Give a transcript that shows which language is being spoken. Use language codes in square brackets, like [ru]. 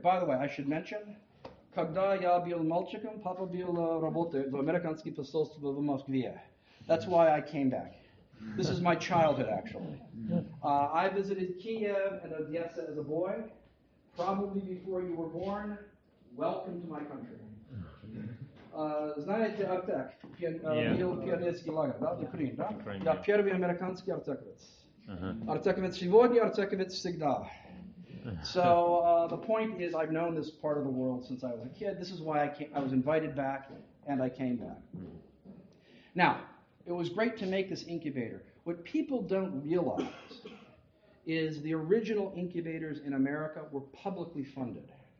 [en] By the way, I should mention, [ru] когда я был мальчиком, папа был работать в американском посольстве в Москве. [en] That's why I came back. This is my childhood, actually. I visited Kiev and Odessa as a boy, probably before you were born. Welcome to my country. [ru] Знаете, Артек, был пионерский лагерь, да, Украина, да? Я первый американский Артековец. Артековец сегодня, Артековец всегда. [en] So the point is, I've known this part of the world since I was a kid. This is why I was invited back, and I came back. Now, it was great to make this incubator. What people don't realize is the original incubators in America were publicly funded.